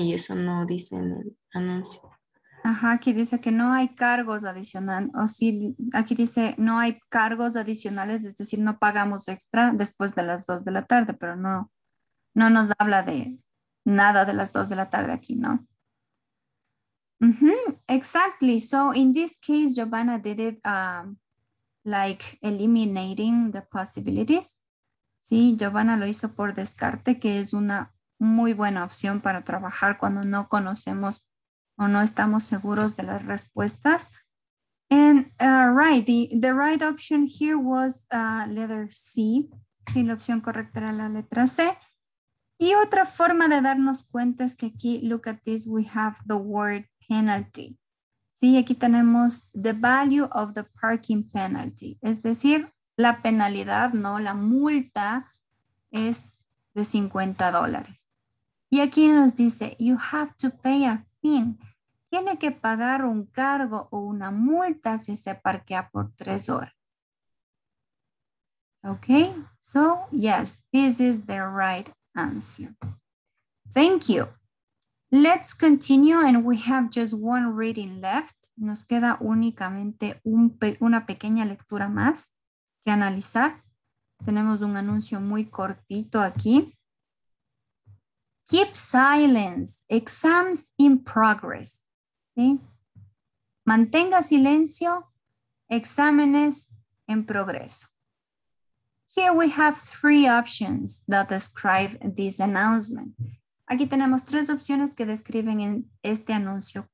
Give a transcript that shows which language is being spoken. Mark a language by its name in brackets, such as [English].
[Spanish] y eso no dice en el anuncio. Ajá, aquí dice que no hay cargos adicionales, o sí, aquí dice no hay cargos adicionales, es decir, no pagamos extra después de las 2 de la tarde, pero no, no nos habla de nada de las 2 de la tarde aquí, ¿no? [English] Mm-hmm. Exactly. So in this case, Giovanna did it like eliminating the possibilities. [Spanish] Sí, Giovanna lo hizo por descarte, que es una muy buena opción para trabajar cuando no conocemos o no estamos seguros de las respuestas. [English] And right, the right option here was letter C. [Spanish] Sí, la opción correcta era la letra C. Y otra forma de darnos cuenta es que aquí, [English] look at this, we have the word penalty. [Spanish] Sí, aquí tenemos [English] the value of the parking penalty. [Spanish] Es decir, la penalidad, no, la multa es de $50. Y aquí nos dice, [English] you have to pay a fine. [Spanish] Tiene que pagar un cargo o una multa si se parquea por 3 horas. [English] Okay, so yes, this is the right answer. Thank you. Let's continue and we have just one reading left. [Spanish] Nos queda únicamente una pequeña lectura más que analizar. Tenemos un anuncio muy cortito aquí. [English] Keep silence, exams in progress. [Spanish] ¿Sí? Mantenga silencio, exámenes en progreso. [English] Here we have 3 options that describe this announcement. [Spanish] Aquí tenemos 3 opciones que describen en este anuncio.